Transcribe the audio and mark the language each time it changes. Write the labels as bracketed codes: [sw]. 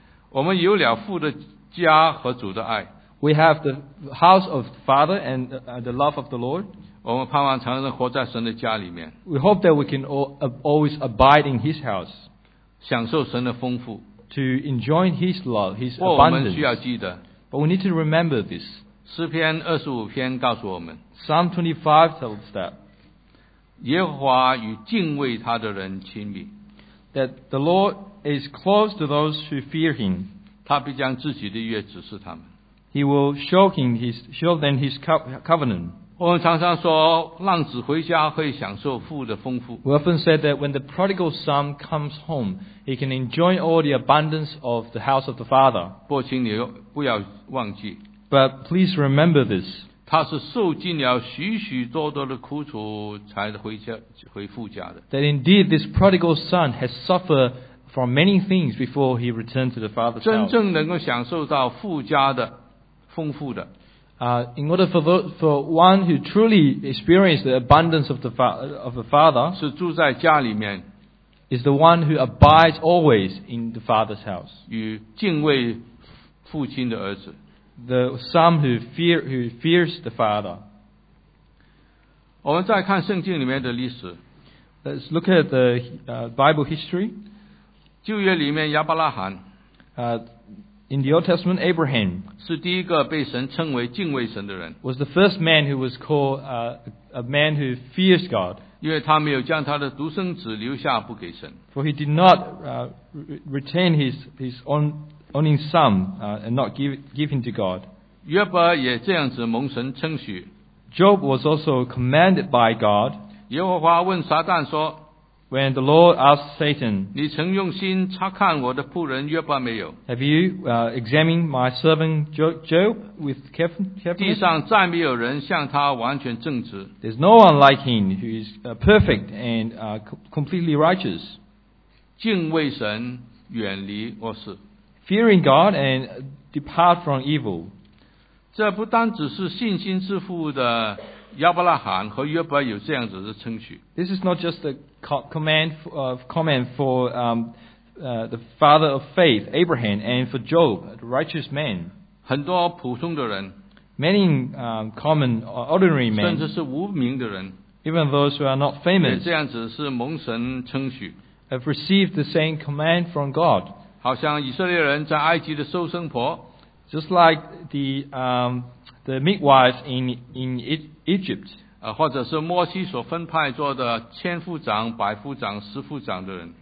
[zh] 我们有了父的家和主的爱, [en] we have the house of Father and the love of the Lord. [zh] 我们盼望常常活在神的家里面, [en] we hope that we can always abide in His house, [zh] 享受神的丰富, [en] to enjoy His love, His abundance. [zh] 我们需要记得, [en] but we need to remember this. [zh] 诗篇25篇告诉我们, [en] Psalm 25 tells that, [zh] 耶和华与敬畏他的人亲密, [en] that the Lord is close to those who fear Him. [zh] 他必将自己的约指示他们, [en] He will show them His covenant. [zh] 我们常常说浪子回家会享受父的丰富, [en] we often said that when the prodigal son comes home, he can enjoy all the abundance of the house of the Father. [zh] 不请你不要忘记, [en] but please remember this, [zh] 他是受尽了许许多多的苦楚才回家, 回父家的, [en] that indeed this prodigal son has suffered from many things before he returned to the Father's house. [zh] 真正能够享受到富家的丰富的。 [en] In order for one who truly experienced the abundance of the Father, [zh] 是住在家里面, [en] is the one who abides always in the Father's house. [zh] 与敬畏父亲的儿子, [en] the son who fears the Father. [zh] 我们再看圣经里面的历史, [en] let's look at the Bible history. [zh] 旧约里面亚伯拉罕, [en] In the Old Testament, Abraham [zh] 是第一个被神称为敬畏神的人 [en] was the first man who was called a man who fears God. [zh] 因为他没有将他的独生子留下不给神 [en] For he did not retain his only son and not give him to God. [zh] 约伯也这样子蒙神称许 [en] Job was also commanded by God. [zh] 耶和华问撒旦说 [en] When the Lord asked Satan, [zh] 你曾用心察看我的仆人约伯没有? [en] Have you examined my servant Job with carefulness? [zh] 地上再没有人像他完全正直。 [en] There's no one like him who is perfect and completely righteous. [zh] 敬畏神，远离恶事。 [en] Fearing God and depart from evil. [zh] 这不单只是信心之父的亚伯拉罕和约伯有这样子的称许。 [en] This is not just a comment for the father of faith, Abraham, and for Job, the righteous man. [zh] 很多普通的人, [en] many common ordinary men, [zh] 甚至是无名的人, [en] even those who are not famous, [zh] 也这样子是蒙神称许, [en] have received the same command from God. [zh] 好像以色列人在埃及的收生婆, [en] just like the midwives in Egypt. [zh] 或者是摩西所分派做的千夫长、百夫长、十夫长的人。